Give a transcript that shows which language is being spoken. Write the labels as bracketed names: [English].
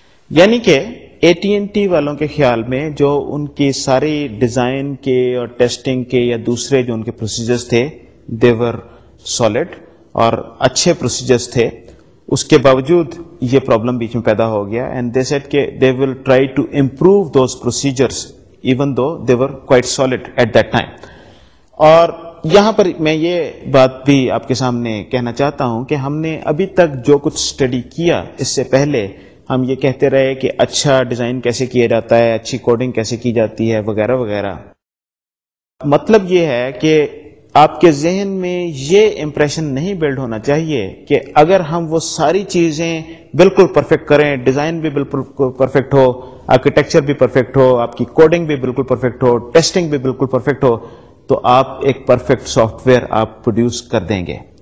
[Urdu] یعنی کہ A T N T والوں کے خیال میں جو ان کی ساری ڈیزائن کے اور ٹیسٹنگ کے یا دوسرے جو ان کے پروسیجرز تھے [English] they were solid [Urdu] اور اچھے پروسیجرز تھے, اس کے باوجود یہ پرابلم بیچ میں پیدا ہو گیا. [English] and they said [Urdu] کہ [English] They will try to improve those procedures even though they were quite solid at that time. [Urdu] اور یہاں پر میں یہ بات بھی آپ کے سامنے کہنا چاہتا ہوں کہ ہم نے ابھی تک جو کچھ اسٹڈی کیا اس سے پہلے, ہم یہ کہتے رہے کہ اچھا ڈیزائن کیسے کیا جاتا ہے, اچھی کوڈنگ کیسے کی جاتی ہے وغیرہ وغیرہ. مطلب یہ ہے کہ آپ کے ذہن میں یہ امپریشن نہیں بلڈ ہونا چاہیے کہ اگر ہم وہ ساری چیزیں بالکل پرفیکٹ کریں, ڈیزائن بھی بالکل پرفیکٹ ہو, آرکیٹیکچر بھی پرفیکٹ ہو, آپ کی کوڈنگ بھی بالکل پرفیکٹ ہو, ٹیسٹنگ بھی بالکل پرفیکٹ ہو, تو آپ ایک پرفیکٹ سافٹ ویئر آپ پروڈیوس کر دیں گے.